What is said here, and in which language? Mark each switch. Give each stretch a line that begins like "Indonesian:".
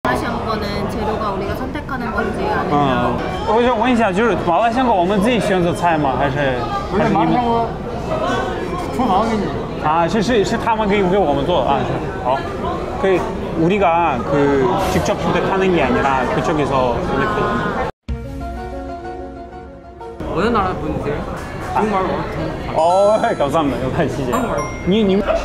Korean: 재료가 우리가 선택하는 건지 아니면 어.
Chinese: 我想问一下，就是麻辣香锅，我们自己选择菜吗？还是麻辣香锅厨房给你？啊，是他们给我们做啊，好，可以。
Korean: 우리가 그 직접 선택하는 게 아니라 그쪽에서 선택하는 거. 어느 나라 분이세요? 정말 어떻게? 감사합니다. 여기 시제. 님.